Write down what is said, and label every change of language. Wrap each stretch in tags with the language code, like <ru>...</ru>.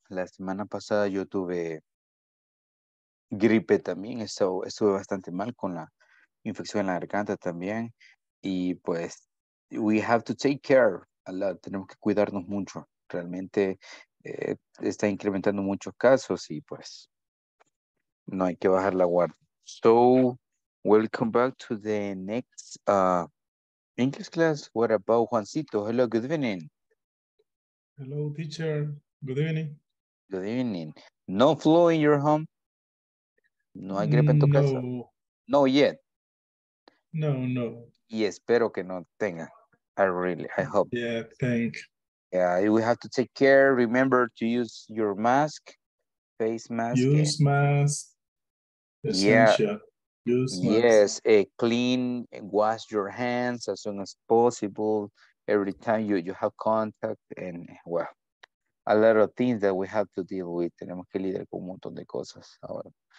<es>La semana pasada yo tuve gripe también, eso estuve bastante mal con la infección en la garganta también. Y pues,</es> <en>we have to take care a lot,</en> <es>tenemos que cuidarnos mucho. Realmente está incrementando muchos casos y pues, no hay que bajar la guardia.</es> <en>So, welcome back to the next English class. What about Juancito? Hello, good evening. Hello, teacher. Good evening. Good evening. No flu in your home?</en> <es>No hay gripe en tu casa.</es> <en>No. No yet. No, no.</en> <es>Y espero que no tenga.</es> <en>I hope. Yeah, thank. Yeah, we have to take care. Remember to use your mask, face mask. Use and mask. Essential. Yeah. Use yes. Mask. Yes. Clean. Wash your hands as soon as possible. Every time you have contact and well, a lot of things that we have to deal with.</en> <es>Tenemos que lidiar con un montón de cosas ahora.</es>